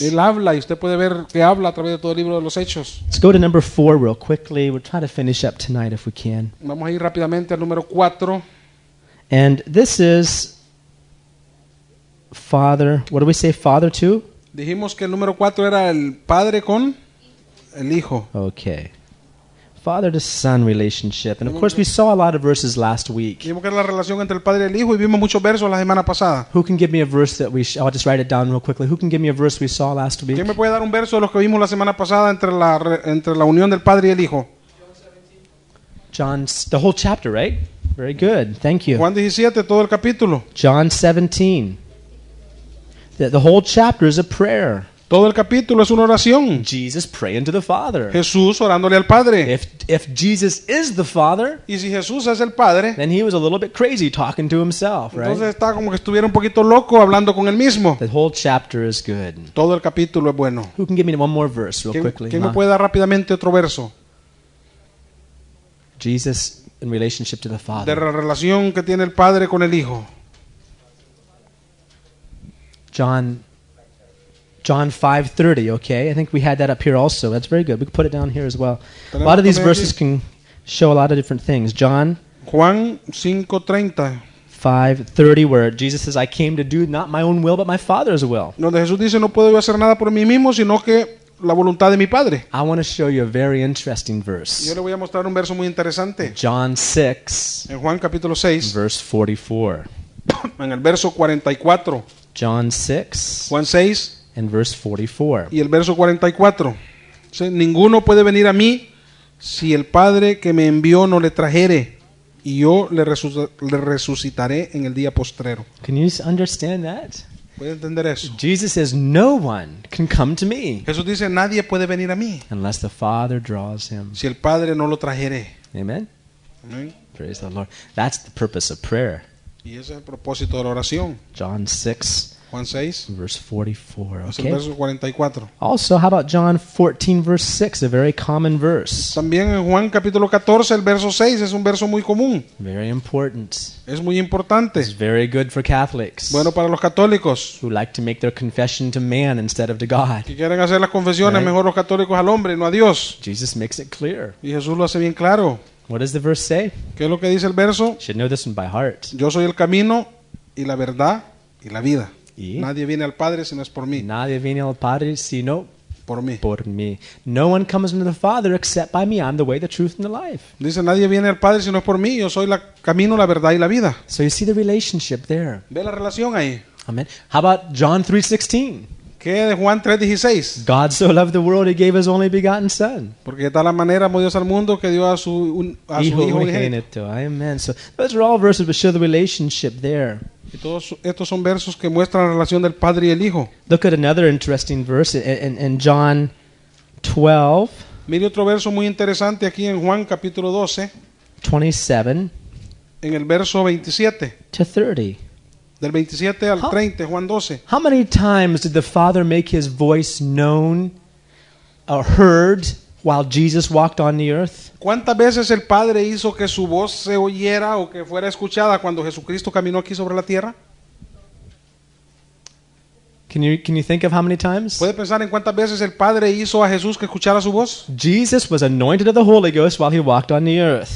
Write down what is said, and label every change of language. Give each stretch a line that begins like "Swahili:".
Spanish: Él habla y usted puede ver que habla a través de todo el libro de los Hechos.
English: Let's go to number 4 real quickly. We're trying to finish up tonight if we can.
Spanish: Vamos a ir rápidamente al número 4.
English: And this is Father. What do we say, Father to?
Spanish: Dijimos que el número 4 era el Padre con el Hijo.
English: Okay. Father to son relationship. And of course we saw a lot of verses last week.
Spanish: Vimos que era la relación entre el Padre y el Hijo y vimos muchos versos la semana pasada.
English: Who can give me a verse that we I'll just write it down real quickly. Who can give me a verse we saw last week?
Spanish: ¿Quién me puede dar un verso de los que vimos la semana pasada entre la unión del Padre y el Hijo?
English: John, the whole chapter, right? Very good. Thank you.
Spanish: Juan 17, todo el capítulo.
English: John 17. The whole chapter is a prayer.
Spanish: Todo el capítulo es una oración.
English: Jesus praying to the Father.
Spanish: Jesús orándole al Padre.
English: If Jesus is the Father,
Spanish: y si Jesús es el Padre,
English: then he was a little bit crazy talking to himself, right?
Spanish: Entonces está como que estuviera un poquito loco hablando con él mismo.
English: The whole chapter is good.
Spanish: Todo el capítulo es bueno.
English: Who can give me one more verse real quickly?
Spanish: ¿Quién me puede dar rápidamente otro verso?
English: Jesus in relationship to the Father.
Spanish: De la relación que tiene el Padre con el Hijo.
English: John 5:30, okay? I think we had that up here also. That's very good. We could put it down here as well. A lot of these verses can show a lot of different things. John
Spanish: Juan 5:30.
English: 5:30, where Jesus says, I came to do not my own will, but my Father's will.
Spanish: Donde Jesús dice, no puedo hacer nada por mí mismo, sino que la voluntad de mi Padre.
English: I want to show you a very interesting verse.
Spanish: Yo le voy a mostrar un verso muy interesante.
English: John 6.
Spanish: En Juan capítulo 6.
English: Verse 44.
Spanish: En el verso 44.
English: John 6.
Spanish: Juan 6.
English: And verse 44.
Spanish: Y el verso 44. Dice, ninguno puede venir a mí si el Padre que me envió no le trajere, y yo le resucitaré en el día postrero.
English: Can you understand that?
Spanish: ¿Puede entender eso?
English: Jesus says, no one can come to me.
Spanish: Jesús dice, nadie puede venir a mí.
English: Unless the Father draws him.
Spanish: Si el Padre no lo trajere.
English: Amen. Amen. Praise the Lord. That's the purpose of prayer.
Spanish: Y ese es el propósito de la oración.
English: John 6.
Spanish: Juan 6,
English: verse 44, okay.
Spanish: Verso 44.
English: Also, how about John 14, verse 6, a very common verse.
Spanish: También en Juan capítulo 14, el verso 6, es un verso muy común.
English: Very important.
Spanish: Es muy importante.
English: It's very good for Catholics.
Spanish: Bueno para los católicos.
English: Who like to make their confession to man instead of to God.
Spanish: Que quieren hacer las confesiones, right? Mejor los católicos al hombre, no a Dios.
English: Jesus makes it clear.
Spanish: Y Jesús lo hace bien claro.
English: What does the verse say?
Spanish: ¿Qué es lo que dice el verso?
English: You should know this one by heart.
Spanish: Yo soy el camino y la verdad y la vida. Nadie viene al Padre si no es por mí. Nadie viene al Padre si no por mí. Por mí.
English: No one comes into the Father except by me. I'm the way, the truth, and the life.
Spanish: Dice, nadie viene al Padre si no es por mí. Yo soy el camino, la verdad y la vida.
English: So you see the relationship there.
Spanish: Ve la relación ahí.
English: Amen. How about John 3:16?
Spanish: ¿Qué de Juan 3:16?
English: God so loved the world, he gave his only begotten Son.
Spanish: Porque de tal manera amó Dios al mundo que dio a su hijo unigénito. Amen.
English: So those are all verses that show the relationship there.
Spanish: Y todos estos son versos que muestran la relación del Padre y el Hijo.
English: Look at another interesting verse in John 12.
Spanish: Mire otro verso muy interesante aquí en Juan capítulo 12.
English: 27.
Spanish: En el verso 27.
English: To 30.
Spanish: Del 27 al 30, Juan 12.
English: How many times did the Father make his voice known or heard while Jesus walked on the earth?
Spanish: ¿Cuántas veces el Padre hizo que su voz se oyera o que fuera escuchada cuando Jesucristo caminó aquí sobre la tierra?
English: Can you think of how many times?
Spanish: ¿Puede pensar en cuántas veces el Padre hizo a Jesús que escuchara su voz?
English: Jesus was anointed of the Holy Ghost while he walked on the earth.